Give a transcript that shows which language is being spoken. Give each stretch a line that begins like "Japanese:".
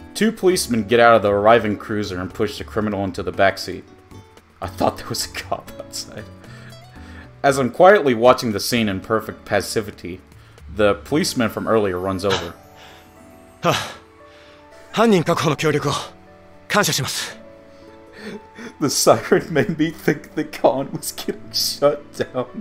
English: Two policemen get out of the arriving cruiser and push the criminal into the back seat. I thought there was a cop outside. As I'm quietly watching the scene in perfect passivity, the policeman from earlier runs over. Ha.
Japanese: 犯人確保の協力を感謝します。
English: The siren made me think the con was getting shut down.